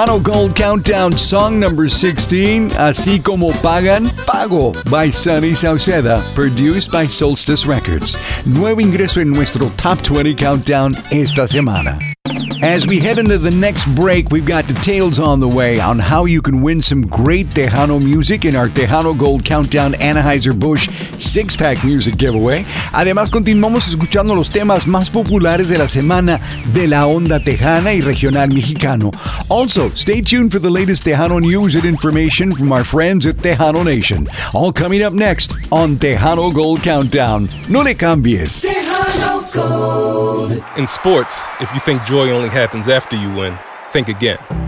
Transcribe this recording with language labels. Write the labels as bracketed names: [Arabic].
[English] Tejano Gold Countdown, song number 16, Así Como Pagan, Pago, by Sunny Sauceda, produced by Solstice Records. [Spanish] Nuevo ingreso en nuestro Top 20 Countdown esta semana. [English] As we head into the next break, we've got details on the way on how you can win some great Tejano music in our Tejano Gold Countdown Anheuser-Busch six-pack music giveaway. [Spanish] Además, continuamos escuchando los temas más populares de la semana de la onda Tejana y regional mexicano. [English] Also, stay tuned for the latest Tejano news and information from our friends at Tejano Nation. All coming up next on Tejano Gold Countdown. [Spanish] No le cambies. Tejano [English] Gold. In sports, if you think joy only happens after you win, think again.